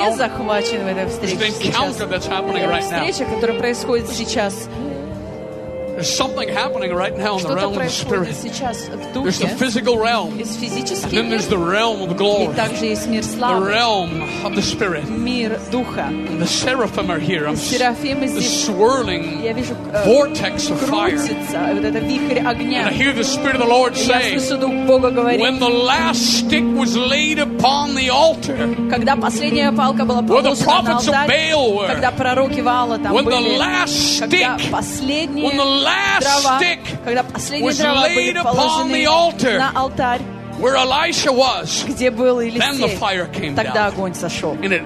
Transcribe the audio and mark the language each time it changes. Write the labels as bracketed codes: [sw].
[ru] Мы все захвачены в этой встрече. [en] This encounter that's happening right now. [ru] Встреча, которая происходит сейчас. [en] There's something happening right now in the realm of the spirit. [ru] Что-то происходит сейчас в духе. [en] There's the physical realm. [ru] Есть физический мир. [en] And then there's the realm of glory. [ru] И также есть мир славы. [en] The realm of the spirit. [ru] Мир духа. [en] And the seraphim are here. [ru] И серафимы здесь. [en] The swirling vortex of fire. [ru] Крутится вот этот вихрь огня. [en] And I hear the spirit of the Lord say. [ru] Я слышу дух Бога говорить. [en] When the last stick was laid upon the altar. [ru] Когда последняя палка была положена на алтарь. [en] Where the prophets of Baal were. [ru] Когда пророки Ваала там были. [en] When the last stick. [ru] Когда последняя палка когда последние дрова были положены на алтарь, где был Елисей, тогда огонь сошел.